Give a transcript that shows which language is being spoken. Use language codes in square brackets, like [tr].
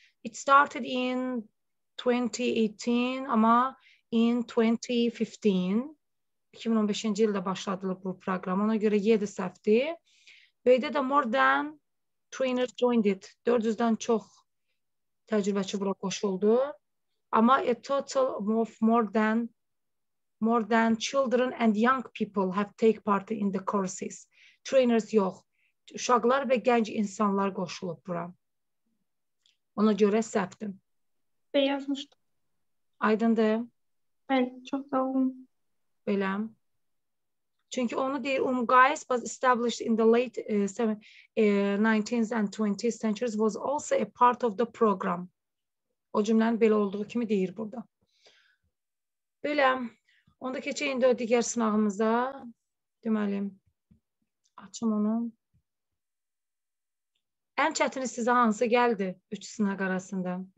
[en] It started in 2018 [az] ama [en] in 2015. [az] 2015-ci ildə başladılıb bu proqram. Ona görə 7 səhvdir. Beydə də [en] more than trainers joined it. [az] 400-dən çox təcrübəçi bura qoşuldu. Amma [en] a total of more than children and young people have take part in the courses. [az] Trainers yox. Uşaqlar və gənc insanlar qoşulub bura. Ona görə səhvdim. Bey yazmışdım. Aydındır. Mən çox sağ olun. Belə. Çünki onu deyir, [en] Umgais was established in the late 19th and 20th centuries was also a part of the program. [az] O cümlənin belə olduğu kimi deyir burada. Belə, onda keçək indi o digər sınağımıza. Deməli, açım onu. Ən çətini sizə hansı gəldi 3 sınaq arasında?